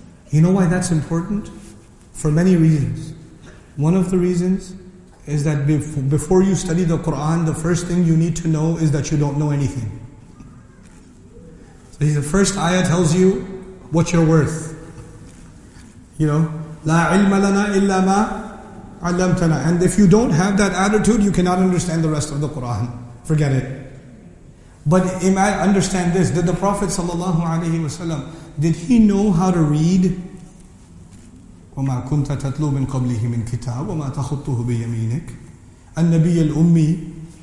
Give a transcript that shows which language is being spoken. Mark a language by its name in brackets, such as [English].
[English] You know why that's important? For many reasons. One of the reasons is that before you study the Qur'an, the first thing you need to know is that you don't know anything. So the first ayah tells you what you're worth. You know, [Arabic] لَا عِلْمَ لَنَا إِلَّا مَا عَلَّمْتَنَا. [English] And if you don't have that attitude, you cannot understand the rest of the Qur'an. Forget it. But understand this, that the Prophet ﷺ, did he know how to read? [Arabic] وَمَا كُنْتَ تَتْلُو مِنْ قَبْلِهِ مِنْ كِتَابٍ وَمَا تَخُطُّهُ بِيَمِينِكَ النَّبِيَ الْأُمِّي.